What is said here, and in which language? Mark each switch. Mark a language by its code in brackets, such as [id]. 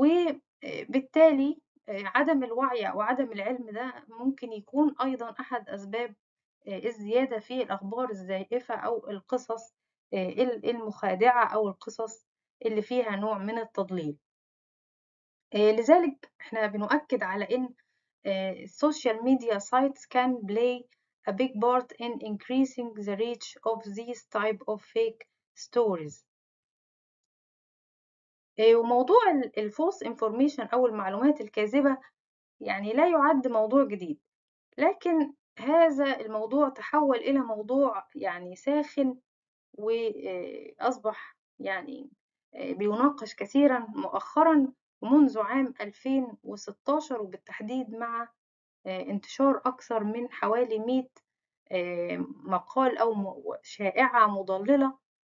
[ar] وبالتالي عدم الوعي وعدم العلم ده ممكن يكون أيضا أحد أسباب الزيادة في الأخبار الزائفة أو القصص المخادعة أو القصص اللي فيها نوع من التضليل. لذلك احنا بنؤكد على إن [en] social media sites can play a big part in increasing the reach of these type of fake stories. [ar] وموضوع الفوس انفورميشن أو المعلومات الكاذبة يعني لا يعد موضوع جديد، لكن هذا الموضوع تحول إلى موضوع يعني ساخن، وأصبح يعني بيناقش كثيرا مؤخرا ومنذ عام 2016، وبالتحديد مع انتشار أكثر من حوالي 100 مقال أو شائعة مضللة